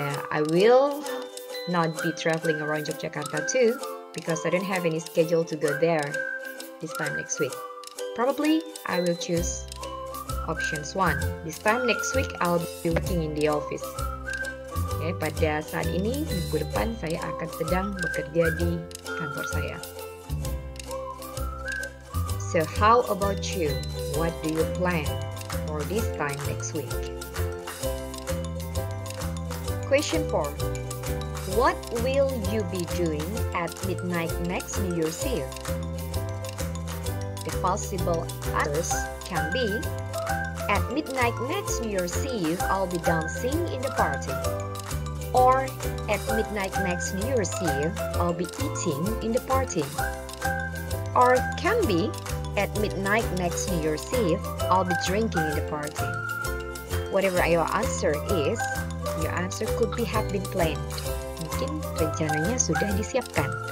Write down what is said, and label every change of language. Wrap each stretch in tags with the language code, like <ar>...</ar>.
<en>I will not be traveling around Yogyakarta too, because I don't have any schedule to go there this time next week. Probably, I will choose options 1. This time next week, I'll be working in the office.</en> <id>Okay, pada saat ini, minggu depan, saya akan sedang bekerja di kantor saya.</id> <en>So, how about you? What do you plan for for this time next week. Question 4. What will you be doing at midnight next New Year's Eve? The possible answers can be: at midnight next New Year's Eve, I'll be dancing in the party. Or at midnight next New Year's Eve, I'll be eating in the party. Or can be: at midnight next New Year's Eve, I'll be drinking in the party. Whatever your answer is, your answer could be have been planned.</en> <id>Mungkin rencananya sudah disiapkan.</id>